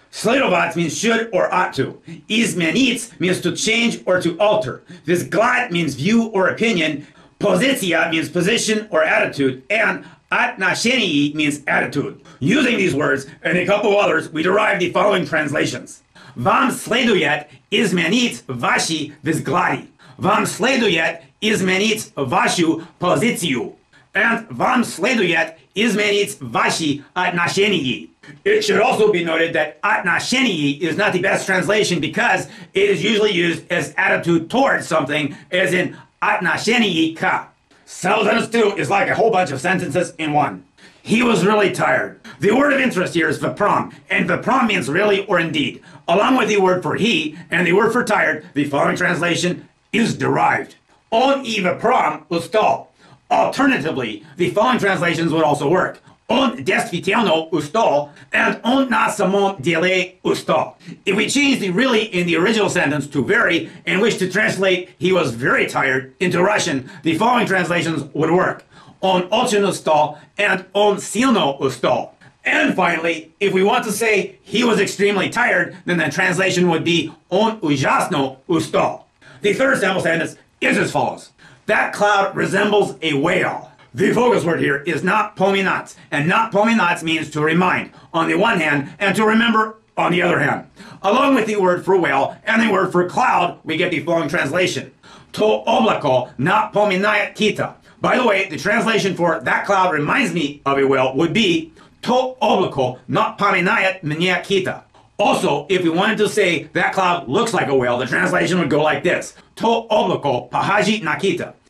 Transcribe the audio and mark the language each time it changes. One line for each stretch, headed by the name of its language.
English: Следовать means should or ought to. Изменить means to change or to alter. Взгляд means view or opinion. Позиция means position or attitude. And отношение means attitude. Using these words and a couple of others, we derive the following translations.
Russian: Вам следует изменить ваши взгляды. Вам следует изменить вашу позицию. And вам следует изменить ваши отношения.
English: It should also be noted that отношения is not the best translation because it is usually used as attitude towards something, as in отношения к. Sentence two is like a whole bunch of sentences in one. He was really tired. The word of interest here is vipram, and vipram means really or indeed. Along with the word for he and the word for tired, the following translation is derived. Он и випром устал. Alternatively, the following translations would also work.
Russian: Он действительно устал, and он на самом деле устал.
English: If we change the really in the original sentence to very and wish to translate he was very tired into Russian, the following translations would work.
Russian: Он очень устал and он сильно устал.
English: And finally, if we want to say he was extremely tired, then the translation would be он ужасно устал. The third sample sentence is as follows. That cloud resembles a whale. The focus word here is напоминать, and напоминать means to remind on the one hand and to remember on the other hand. Along with the word for whale and the word for cloud, we get the following translation.
Russian: То облако напоминает кита.
English: By the way, the translation for that cloud reminds me of a whale would be то облако напоминает мне кита. Also, if we wanted to say that cloud looks like a whale, the translation would go like this.
Russian: То облако похоже на кита.